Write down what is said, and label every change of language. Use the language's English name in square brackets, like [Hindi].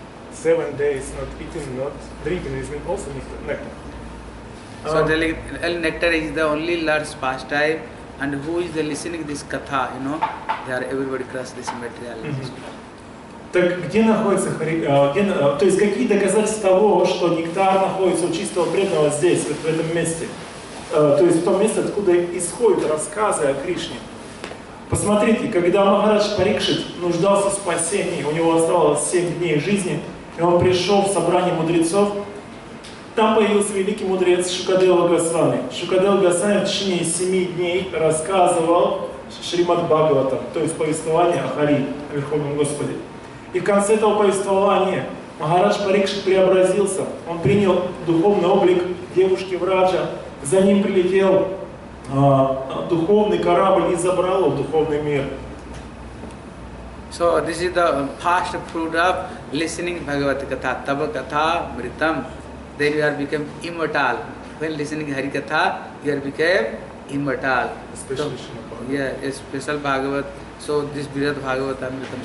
[English] 7 days not eating, not drinking is also nectar. So telling nectar is the only Lord's pastime, and who is the listening this katha, you know, they are everybody cross this material. [Russian] Так где находится то есть какие доказательства того, что нектар находится у чистого преданного здесь, в этом месте? То есть в том месте, откуда исходят рассказы о Кришне. Посмотрите, когда Махарадж Парикшит нуждался в спасении, у него оставалось 7 дней жизни, и он пришел в собрание мудрецов. Там появился великий мудрец Шукадева Госвами. Шукадева Госвами в течение 7 дней рассказывал Шримад Бхагаватам, то есть повествование о Хари, о Верховном Господе. И в конце этого повествования Махарадж Парикшит преобразился. Он принял духовный облик девушки Враджа. За ним прилетел духовный корабль и забрал его в духовный мир. [English] So this is the past fruit of listening Bhagavata Katha, Tava Katha, Mritam. Then you are become immortal. When listening Harikatha, you are become immortal. Especially so, Shrimad Bhagavatam. Yeah, special Bhagavat. So this Virat Bhagavatam Mritam.